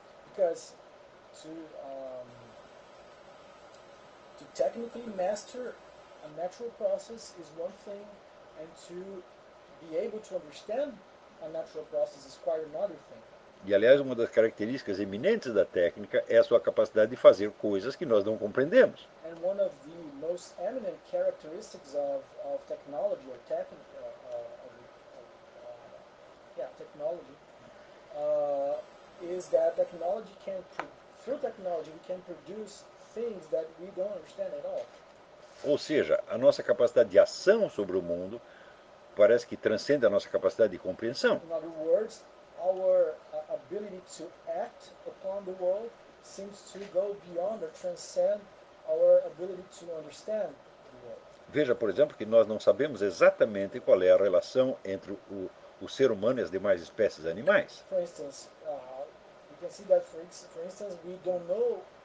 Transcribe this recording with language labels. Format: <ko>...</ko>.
<en>Because to technically master a natural process is one thing, and to be able to understand a natural process is quite another thing.</en> <pt>E aliás, uma das características eminentes da técnica é a sua capacidade de fazer coisas que nós não compreendemos.</pt> <en>And one of the most eminent characteristics of technology or technology is that technology can, through technology we can produce things that we don't understand at all.</en> <pt>Ou seja, a nossa capacidade de ação sobre o mundo parece que transcende a nossa capacidade de compreensão.</pt> <en>In other words, our ability to act upon the world seems to go beyond or transcend our ability to understand the world.</en> <pt>Veja, por exemplo, que nós não sabemos exatamente qual é a relação entre o ser humano e as demais espécies animais.</pt> <en>For instance, we can see that for instance, we don't know</en>